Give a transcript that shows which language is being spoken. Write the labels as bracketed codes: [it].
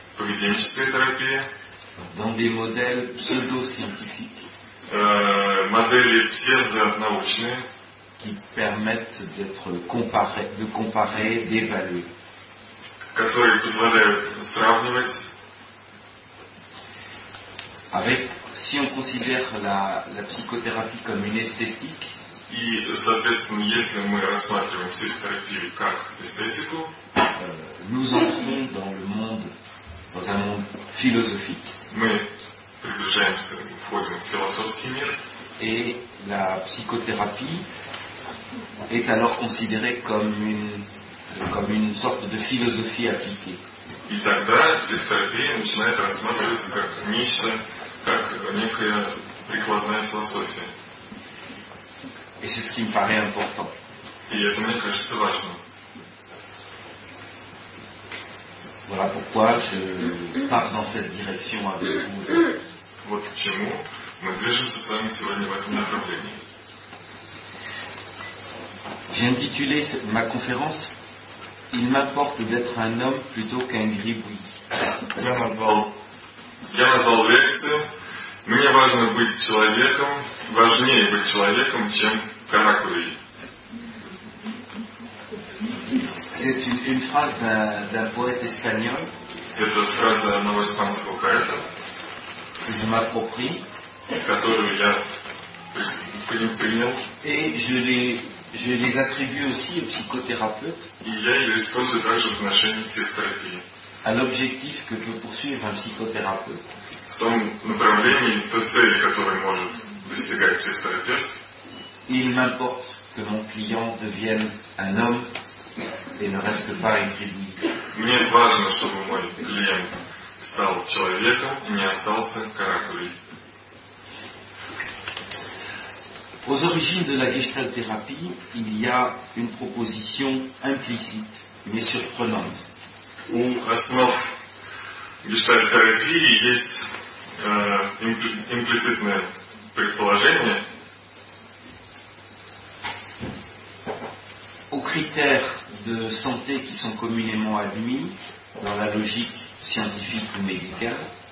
[ru] Поведенческая терапия. [fr] Dans des modèles pseudo-scientifiques. [ru] Модели псевдонаучные, [fr] qui permettent d'être comparer, d'évaluer, [ru] которые позволяют сравнивать. [fr] Avec, si on considère la psychothérapie comme une esthétique, [ru] и, соответственно, если мы рассматриваем психотерапию как эстетику, [fr] nous entrons dans un monde philosophique. [ru] Приближаемся, входим в философский мир. И [fr] la psychothérapie est alors considérée comme une sorte de philosophie appliquée. [ru] И тогда психотерапия начинает рассматриваться как нечто, как некая прикладная философия. [fr] Et c'est ce qui me paraît important. [ru] И это мне кажется важным. [fr] Voilà pourquoi je pars dans cette direction avec vous. [ru] Вот почему мы движемся с вами сегодня в этом направлении. [fr] J'ai intitulé ma conférence «Il m'importe d'être un homme plutôt qu'un gribouille». [ru] Я назвал лекцию «Мне важно быть человеком, важнее быть человеком, чем каракули». [fr] C'est une phrase d'un poète espagnol. [ru] Это фраза одного испанского поэта. [fr] Je m'approprie, [ru] которую я принял, [fr] et je les attribue aussi aux psychothérapeutes. [ru] И я ее использую также в отношении психотерапии. [fr] À l'objectif que peut poursuivre un psychothérapeute. [ru] В том направлении, в той цели, которую может достигать психотерапевт. [fr] Il m'importe que mon client devienne un homme et ne reste pas un gribouille. [ru] Мне важно, чтобы мой клиент стал человеком и не остался каракулей. [fr] Aux origines de la gestalt-thérapie, il y a une proposition implicite, mais surprenante. [ru] У основ гештальт-терапии есть имплицитное предположение. [fr] Aux critères de santé qui sont communément admis dans la logique scientifique ou médicale.